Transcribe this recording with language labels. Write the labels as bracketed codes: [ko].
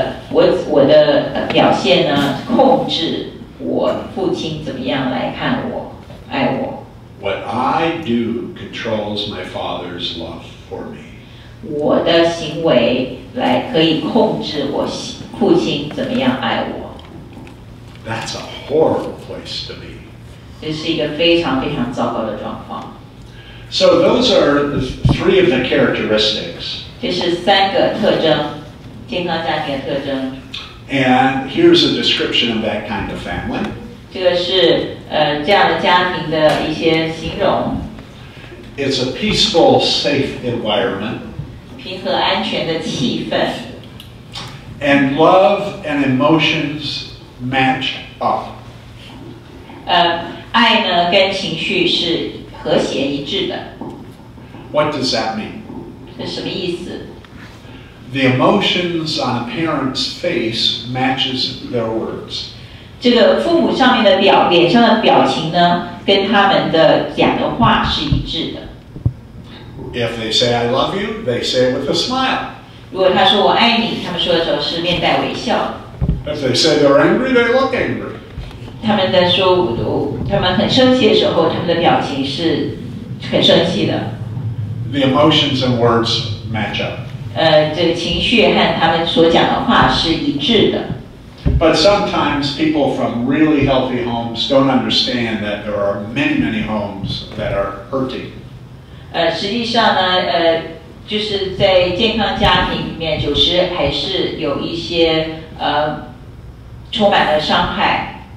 [zh] 我的表现呢，控制我父亲怎么样来看我，爱我。 [en] What I do controls my father's love for me. [zh] 我的行为来可以控制我父亲怎么样爱我。 [en] That's a horrible place to be. [zh] 这是一个非常非常糟糕的状况。 [en] So those are three of the characteristics. [zh] 这是三个特征，健康家庭的特征。 [en] And here's a description of that kind of family. [zh] 这个是这样的家庭的一些形容。 [en] It's a peaceful, safe environment. [zh] 平和安全的气氛。 [en] And love and emotions match up. [zh] 爱呢跟情绪是。和谐一致的。 [en] What does that mean? [zh] 这什么意思？ [en] The emotions on a parent's face matches their words. [zh] 这个父母上面的表，脸上的表情呢，跟他们的讲的话是一致的。 [en] If they say I love you, they say it with a smile. [zh] 如果他说我爱你，他们说的时候是面带微笑。 [en] If they say they're angry, they look angry. [zh] 他们在说五毒。他们很生气的时候，他们的表情是很生气的。 [en] The emotions and words match up. [zh] 这个情绪和他们所讲的话是一致的。 [en] But sometimes people from really healthy homes don't understand that there are many, many homes that are hurting. [zh] 实际上呢，就是在健康家庭里面，有时还是有一些充满了伤害。